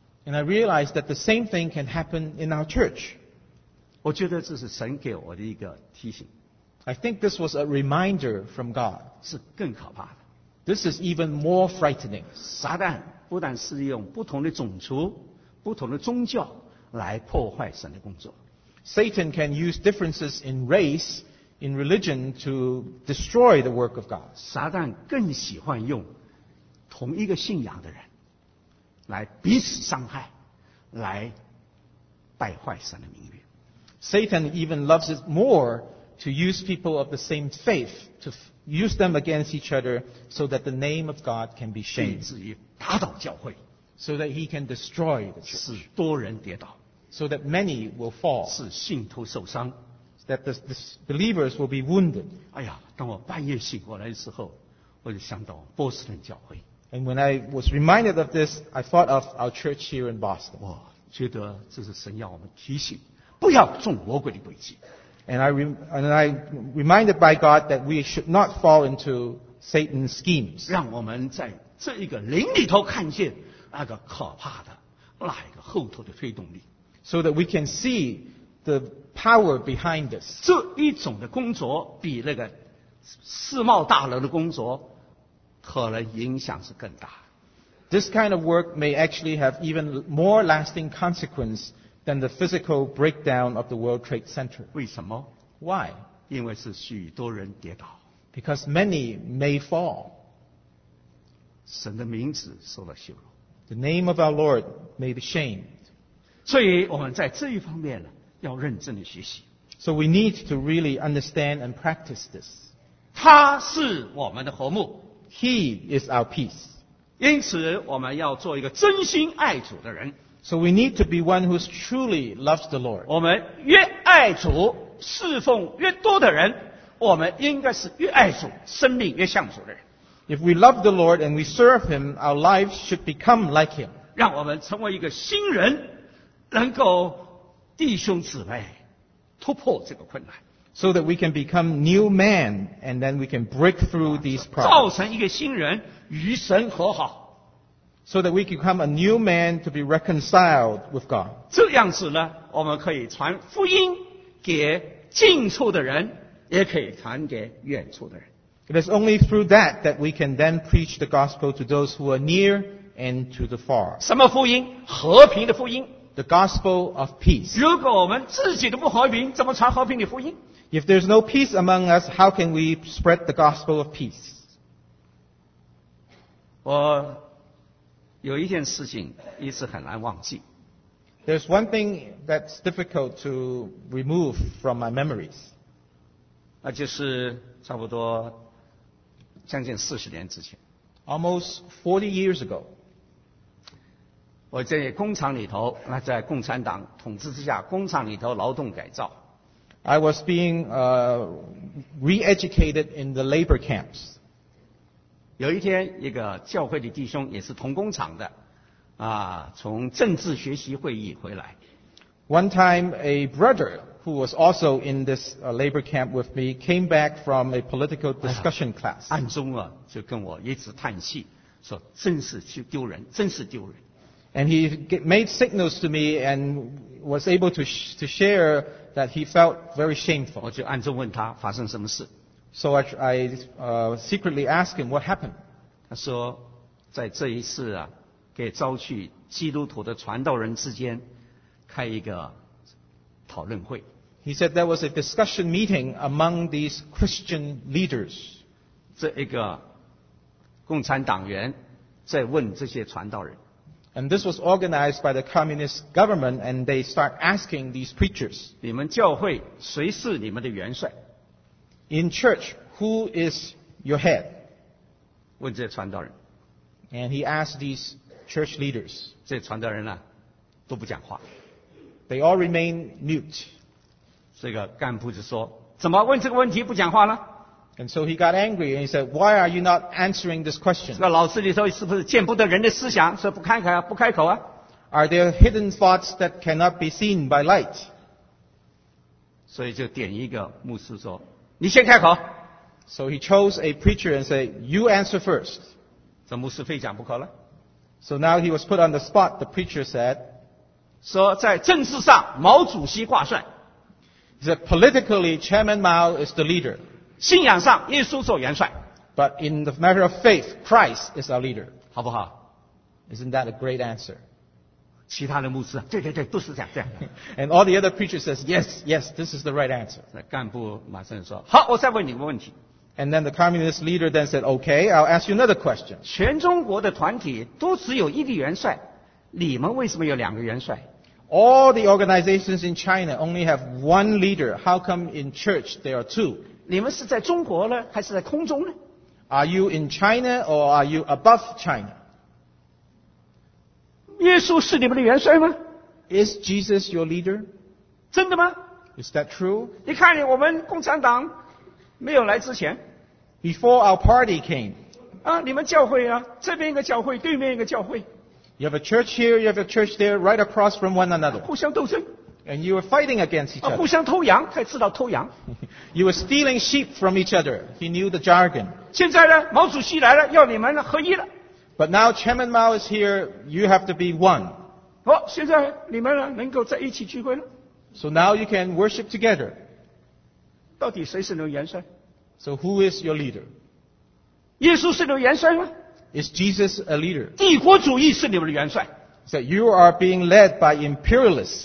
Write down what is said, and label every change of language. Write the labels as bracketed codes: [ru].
[en] And I realized that the same thing can happen in our church. [zh] 我觉得这是神给我的一个提醒。 [en] I think this was a reminder from God. [zh] 是更可怕的。 [en] This is even more frightening. [zh] 撒旦不但是用不同的种族、不同的宗教来破坏神的工作。 [en] Satan can use differences in race,in religion to destroy the work of God. [zh] 撒旦更喜欢用同一个信仰的人来彼此伤害，来败坏神的名誉。 [en] Satan even loves it more to use people of the same faith to use them against each other so that the name of God can be shamed. [zh] 以至于打倒教会， [en] so that he can destroy the church. [zh] 使多人跌倒， [en] so that many will fall. [zh] 使信徒受伤。 [en] That the believers will be wounded. [zh] 哎呀，当我半夜醒过来的时候，我就想到波士顿教会。 [en] And when I was reminded of this, I thought of our church here in Boston. [zh] 我觉得这是神要我们提醒，不要中魔鬼的诡计。 [en] And I reminded by God that we should not fall into Satan's schemes. [zh] 让我们在这一个灵里头看见那个可怕的那一个后头的推动力。 [en] So that we can see the power behind this. [zh] 这一种的工作比那个世贸大楼的工作可能影响是更大。 [en] This kind of work may actually have even more lasting consequence than the physical breakdown of the World Trade Center. [zh] 为什么？ [en] Why? [zh] 因为是许多人跌倒。 [en] Because many may fall. [zh] 神的名字受了羞辱。 [en] The name of our Lord may be shamed. [zh] 所以我们在这一方面呢要认真的学习。 [en] So we need to really understand and practice this. [zh] 他是我们的和睦。 [en] He is our peace. [zh] 因此我们要做一个真心爱主的人。 [en] So we need to be one who truly loves the Lord. [zh] 我们越爱主，侍奉越多的人，我们应该是越爱主，生命越像主的人。 [en] If we love the Lord and we serve Him, our lives should become like Him. [zh] 让我们成为一个新人，能够弟兄姊妹突破这个困难。 [en] So that we can become new man and then we can break through these problems. [zh] 造成一个新人与神和好。 [en] So that we can become a new man to be reconciled with God. [zh] 这样子呢，我们可以传福音给近处的人，也可以传给远处的人。 [en] It is only through that that we can then preach the gospel to those who are near and to the far. [zh] 什么福音？和平的福音。 [en] The gospel of peace. [zh] 如果我们自己都不和平，怎么传和平的福音？ [en] If there's no peace among us, how can we spread the gospel of peace? [zh] 我有一件事情一直很难忘记。 [en] There's one thing that's difficult to remove from my memories. [zh] 那就是差不多将近四十年之前。 [en] Almost 40 years ago. [zh] 我在工厂里头，那在共产党统治之下，工厂里头劳动改造。 [en] I was being re-educated in the labor camps. [zh] 有一天，一个教会的弟兄也是同工厂的，啊，从政治学习会议回来。 [en] One time, a brother who was also in this labor camp with me came back from a political discussion class. [zh] 暗中啊，就跟我一直叹气，说真是丢人，真是丢人。 [en] And he made signals to me and was able to share that he felt very shameful. [zh] 我就暗中问他发生什么事。 [en] So I secretly asked him what happened. [zh] 他说，在这一次啊，给召去基督徒的传道人之间开一个讨论会。 [en] He said there was a discussion meeting among these Christian leaders. [zh] 这一个共产党员在问这些传道人。 [en] And this was organized by the communist government, and they start asking these preachers. [zh] 你们教会谁是你们的元帅？ [en] In church, who is your head? [zh] 问这传道人。 [en] And he asked these church leaders. [zh] 这传道人呢，都不讲话。 [en] They all remain mute. [zh] 这个干部就说，怎么问这个问题不讲话呢？ [en] And so he got angry and he said, why are you not answering this question? [zh] 这个脑子里头是不是见不得人的思想，所以不开口啊，不开口啊。 [en] Are there hidden thoughts that cannot be seen by light? [zh] 所以就点一个牧师说，你先开口。 [en] So he chose a preacher and said, you answer first. [zh] 这牧师非讲不可了。 [en] So now he was put on the spot, the preacher said, [zh] 说在政治上毛主席挂帅。 [en] He said, politically, Chairman Mao is the leader. [zh] 信仰上耶稣做元帅。 [en] But in the matter of faith, Christ is our leader. [zh] 好不好？ [en] Isn't that a great answer? [zh] 其他的牧师，对对对，都是这样，这样。 [en] And all the other preachers says, yes, yes, this is the right answer. [zh] 干部马上说，好，我再问你个问题。 [en] And then the communist leader then said, okay, I'll ask you another question. [zh] 全中国的团体都只有一个元帅，你们为什么有两个元帅？ [en] All the organizations in China only have one leader. How come in church there are two? [zh] 你们是在中国呢，还是在空中呢？ [en] Are you in China or are you above China? [zh] 耶稣是你们的元帅吗？ [en] Is Jesus your leader? [zh] 真的吗？ [en] Is that true? [zh] 你看我们共产党没有来之前。 [en] Before our party came. [zh] 啊，你们教会啊，这边一个教会，对面一个教会。 [en] You have a church here, you have a church there, right across from one another. [zh] 互相斗争。 [en] And you were fighting against each other. [zh] 互相偷羊，他知道偷羊。 [en] You were stealing sheep from each other. He knew the jargon. [zh] 现在呢，毛主席来了，要你们合一了。 [en] But now Chairman Mao is here, you have to be one. [zh] 好，现在你们呢，能够在一起聚会了。 [en] So now you can worship together. [zh] 到底谁是你的元帅？ [en] So who is your leader? [zh] 耶稣是你的元帅吗？ [en] Is Jesus a leader? [zh] 帝国主义是你们的元帅。 [en] That you are being led by imperialists.